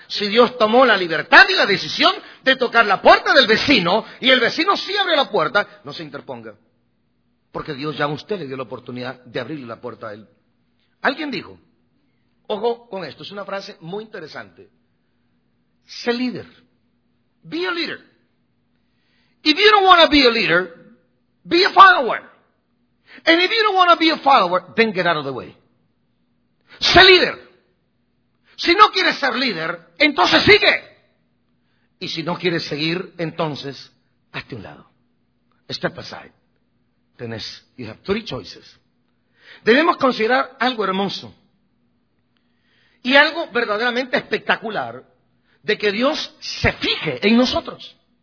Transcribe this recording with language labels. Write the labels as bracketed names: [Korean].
[Spanish] Si Dios tomó la libertad y la decisión de tocar la puerta del vecino y el vecino sí abre la puerta, no se interponga. Porque Dios ya a usted le dio la oportunidad de abrirle la puerta a él. Alguien dijo, ojo con esto, es una frase muy interesante. Sé líder. [English] Be a leader. If you don't want to be a leader, be a follower. And if you don't want to be a follower, then get out of the way. [Spanish] Sé líder. Si no quieres ser líder, entonces sigue. Y si no quieres seguir, entonces hazte un lado. [English] Step aside. You have three choices. [Spanish] Debemos considerar algo hermoso y algo verdaderamente espectacular de que Dios se fije en nosotros.